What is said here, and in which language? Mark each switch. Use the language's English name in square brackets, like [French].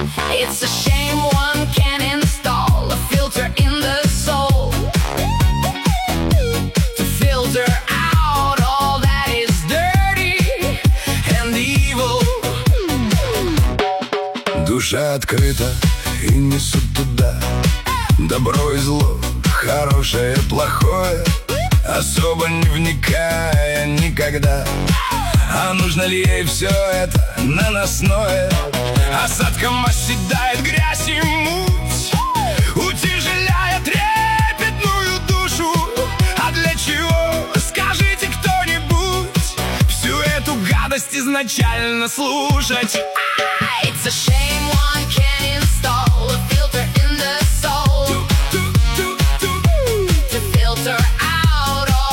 [English] It's a shame one can install a filter in the soul to filter out all that is dirty and evil. [Russian] Душа открыта и несут туда добро и зло, хорошее и плохое, особо не вникая никогда. А нужно ли ей все это наносное? Осадком оседает грязь и муть, утяжеляя трепетную душу. А для чего, скажите кто-нибудь, всю эту гадость изначально слушать? [English] It's a shame one can't install a filter in the soul to filter out.